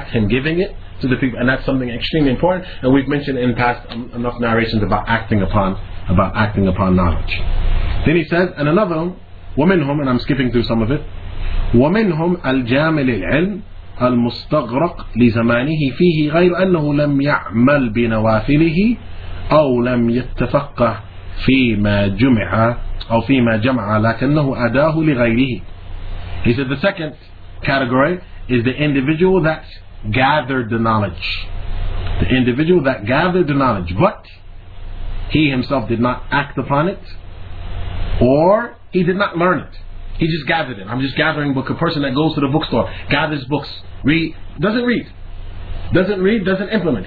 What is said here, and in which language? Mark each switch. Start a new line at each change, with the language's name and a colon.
English: And that's something extremely important. And we've mentioned in past enough narrations about acting upon knowledge. Then he says, and another
Arabic: ومنهم,
English: and I'm skipping through some of it,
Arabic: ومنهم الجامل العلم المستغرق لزمانه فيه غير أنه لم يعمل بنوافله أو لم يتفقه فيما جمع أو فيما جمع لكنه أداه لغيره.
English: He said the second category is the individual that gathered the knowledge. The individual that gathered the knowledge, but he himself did not act upon it, or he did not learn it. He just gathered it. I'm just gathering book. A person that goes to the bookstore, gathers books, doesn't read, doesn't implement.